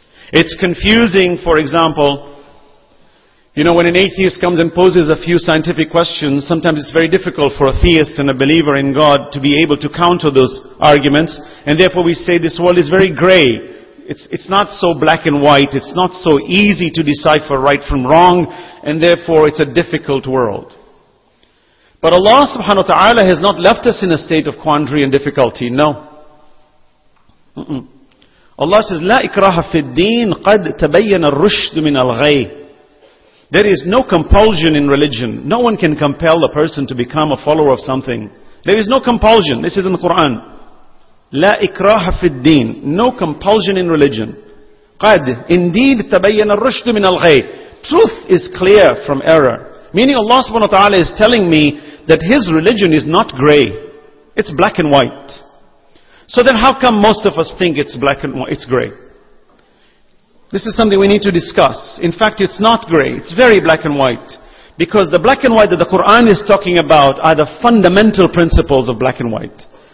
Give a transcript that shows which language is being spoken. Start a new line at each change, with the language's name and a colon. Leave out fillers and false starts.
English: It's confusing, for example, you know, when an atheist comes and poses a few scientific questions, sometimes it's very difficult for a theist and a believer in God to be able to counter those arguments, and therefore we say this world is very gray. It's not so black and white, it's not so easy to decipher right from wrong, and therefore it's a difficult world. But Allah subhanahu wa ta'ala has not left us in a state of quandary and difficulty, no. Allah says,
Arabic: لا إكراه في الدين قد تبين الرشد من الغي.
English: There is no compulsion in religion. No one can compel a person to become a follower of something. There is no compulsion. This is in the Quran.
Arabic: لا إكراه في الدين.
English: No compulsion in religion.
Arabic: قد indeed تبين الرشد من الغي.
English: Truth is clear from error. Meaning Allah subhanahu wa ta'ala is telling me that His religion is not gray. It's black and white. So then how come most of us think it's black and white? It's gray. This is something we need to discuss. In fact, it's not gray. It's very black and white. Because the black and white that the Quran is talking about are the fundamental principles of black and white.